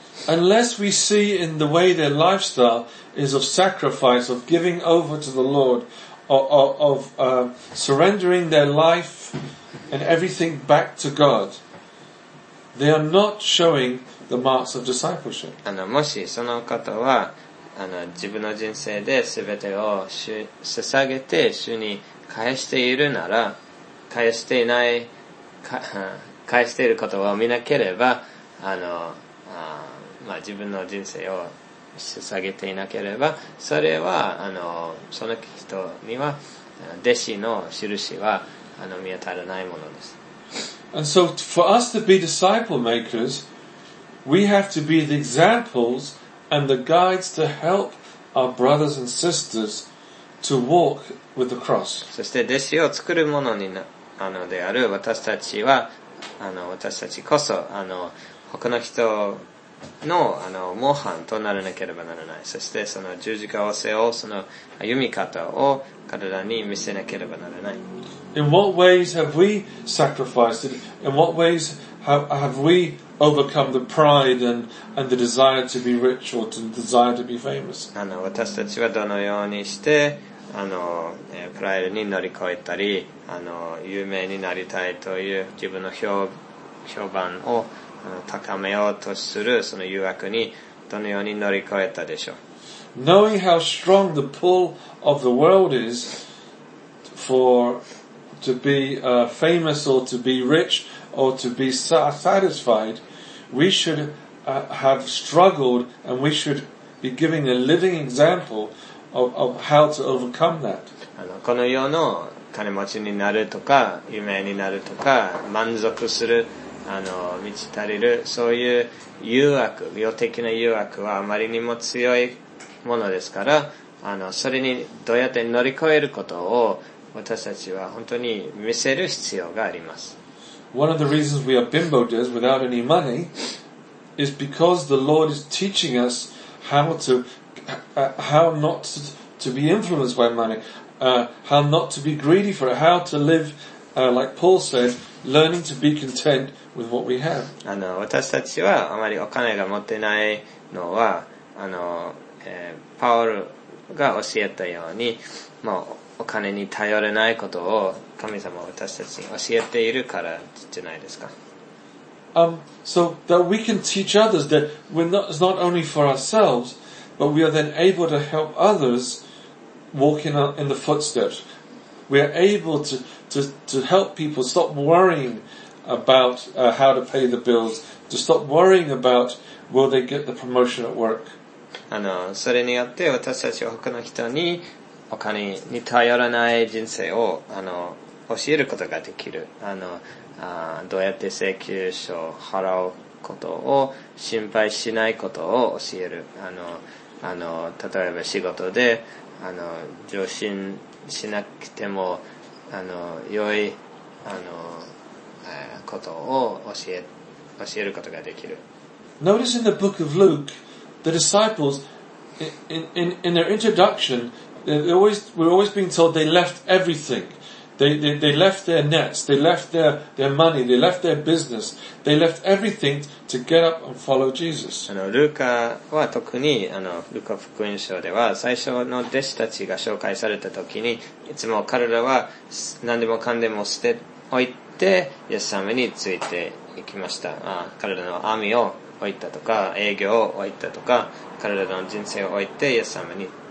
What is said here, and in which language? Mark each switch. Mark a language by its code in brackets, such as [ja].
[en] Unless we see in the way their lifestyle is of sacrifice, of giving over to the Lord, of surrendering their life and everything back to God, they are not showing the marks of discipleship. [ja] もしその方は自分の人生で全てを捧げて主に返しているなら、返していることを見なければ、自分の人生を捧げていなければ、それはその人には弟子の印は見当たらないものです。 [en] And so for us to be disciple makers, we have to be the examples and the guides to help our brothers and sisters to walk with the cross. [ja] そして弟子を作るものにな、あのである私たちは、あの私たちこそ、あの他の人の、あの模範となれなければならない。そしてその十字架を背負う、その歩み方を彼らに見せなければならない。 [en] In what ways have we sacrificed? In what ways have we overcome the pride and the desire to be rich or the desire to be famous? [ja] あの私たちはどのようにしてあのプライドに乗り越えたり、あの有名になりたいという自分の 評判を高めようとするその誘惑にどのように乗り越えたでしょう。 [en] Knowing how strong the pull of the world is for to be famous or to be rich or to be satisfied, we should have struggled and we should be giving a living example of how to overcome that. [ja] あのこの世の金持ちになるとか有名になるとか満足するあの満ち足りるそういう誘惑、病的な誘惑はあまりにも強いものですから、あのそれにどうやって乗り越えることを私たちは本当に見せる必要があります。 [en] One of the reasons we are bimbo days without any money is because the Lord is teaching us how not to be influenced by money, how not to be greedy for it, how to live, like Paul said, learning to be content with what we have. [ja] あの、私たちはあまりお金が持ってないのは、あの、パウルが教えたように、もうお金に頼れないことを神様は私たちに教えているからじゃないですか。 [en] So that we can teach others that we're not, it's not only for ourselves, but we are then able to help others walk in the footsteps. We are able to help people stop worrying about how to pay the bills, to stop worrying about will they get the promotion at work. [ja] あの、それによって私たちは他の人にお金に頼らない人生をあの教えることができる。あのあどうやって請求書を払うことを心配しないことを教える。あの例えば仕事で上進しなくてもあの良いあの、ことを教えることができる。 [en] Notice in the book of Luke, the disciples in their introduction,We're always being told they left everything. They left their nets. They left their money. They left their business. They left everything to get up and follow Jesus. [ja] あのルカは特にあのルカ福音書では最初の弟子たちが紹介された時にいつも彼らは何でもかんでも捨ておいてイエス様についていきました。あ、彼らの網を置いたとか営業を置いたとか彼らの人生を置いてイエス様に。